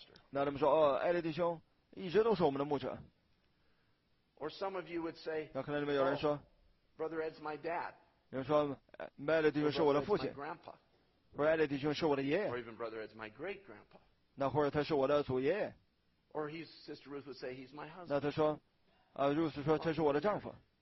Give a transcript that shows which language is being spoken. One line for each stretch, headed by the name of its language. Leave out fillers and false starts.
Chinese: 那他们说，哦，艾利弟兄一直都是我们的牧者。
English: Or some of you would say, oh, Brother Ed's my dad.
Chinese: 有人说，麦利弟兄是我的父亲。或者艾利弟兄是我的爷爷。
English: Or even Brother Ed's my great grandpa.
Chinese: 那或者他是我的祖爷爷。
English: Or his sister Ruth would say he's my husband.
Chinese: 那他说，啊，露丝说这是我的丈夫。